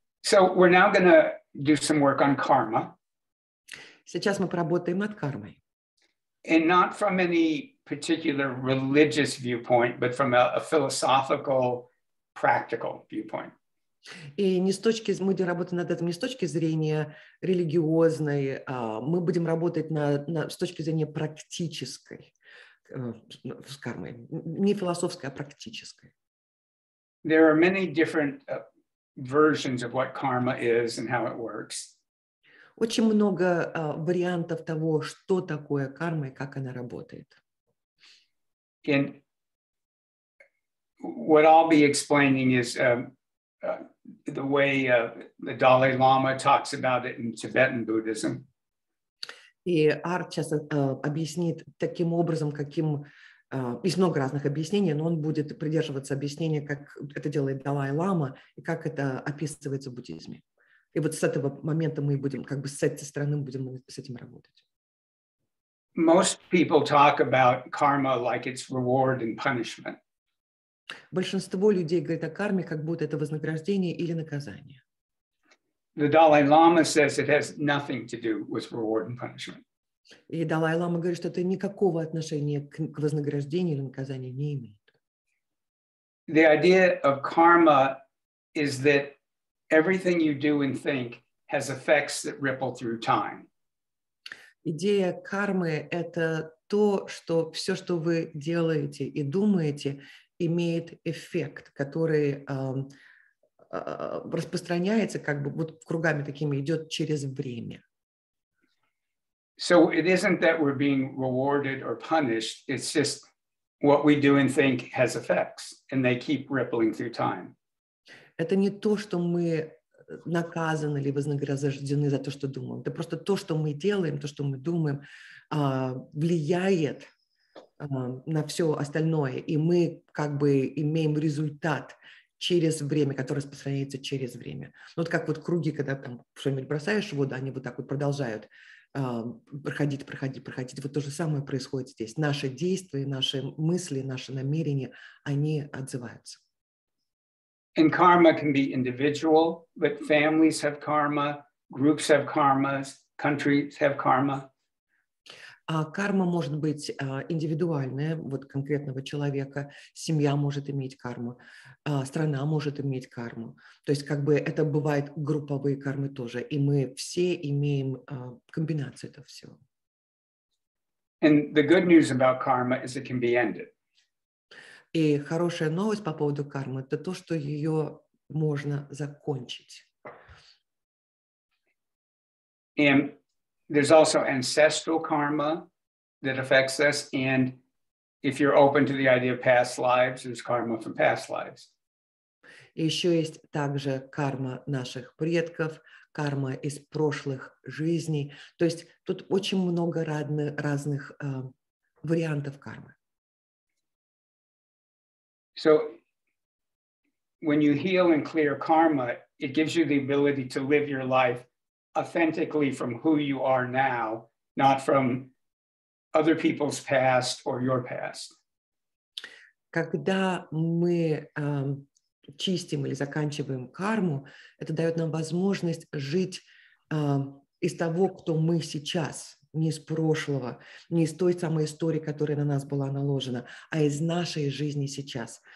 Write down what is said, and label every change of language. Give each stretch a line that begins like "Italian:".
English: So we're now going to do some work on karma.
Russian: Сейчас мы поработаем над кармой.
English: And not from any particular religious viewpoint, but from a philosophical, practical viewpoint.
Russian: И не с точки, мы будем работать над этим не с точки зрения религиозной, мы будем работать с точки зрения практической, с кармой, не философской, а практической.
English: There are many different versions of what karma is and how it works.
Russian: Очень много вариантов того, что такое карма и как она работает.
English: And what I'll be explaining is the way the Dalai Lama talks about it in Tibetan Buddhism.
Russian: И Арт сейчас объяснит таким образом, каким из много разных объяснений, но он будет придерживаться объяснения, как это делает Далай Лама и как это описывается в буддизме. И вот с этого момента мы будем, как бы с этой стороны, будем с этим работать.
English: Most people talk about karma like it's reward and punishment.
Russian: Большинство людей говорит о карме, как будто это вознаграждение или наказание.
English: The Dalai Lama says it has nothing to do with reward and punishment.
Russian: И Далай Лама говорит, что это никакого отношения к вознаграждению или наказанию не имеет.
English: The idea of karma is that everything you do and think has effects that ripple through time.
Russian: Идея кармы – это то, что все, что вы делаете и думаете, имеет эффект, который распространяется, как бы вот кругами такими идет через время.
English: So it isn't that we're being rewarded or punished, it's just what we do and think has effects, and they keep rippling through time.
Russian: Это не то, что мы наказаны или вознаграждены за то, что думаем. Это просто то, что мы делаем, то, что мы думаем, влияет на все остальное. И мы как бы имеем результат через время, который распространяется через время. Вот как вот круги, когда там что-нибудь бросаешь в воду, они вот так вот продолжают проходить. Вот то же самое происходит здесь. Наши действия, наши мысли, наши намерения, они отзываются.
English: And karma can be individual, but families have karma, groups have karmas, countries have karma.
Russian: Карма может быть индивидуальная, вот конкретного человека, семья может иметь карму, страна может иметь карму. То есть как бы это бывает групповые кармы тоже, и мы все имеем комбинацию этого всего.
English: And the good news about karma is it can be ended.
Russian: И хорошая новость по поводу кармы – это то, что ее можно закончить.
English: And there's also ancestral karma that affects us. And if you're open to the idea of past lives, there's karma from past lives.
Russian: И еще есть также карма наших предков, карма из прошлых жизней. То есть тут очень много разных вариантов кармы.
English: So when you heal and clear karma, it gives you the ability to live your life authentically from who you are now, not from other people's past or your past.
Russian: Когда мы чистим или заканчиваем карму, это дает нам возможность жить из того, кто мы сейчас. Не из прошлого, не из той самой истории, которая на нас была наложена, а из нашей жизни сейчас.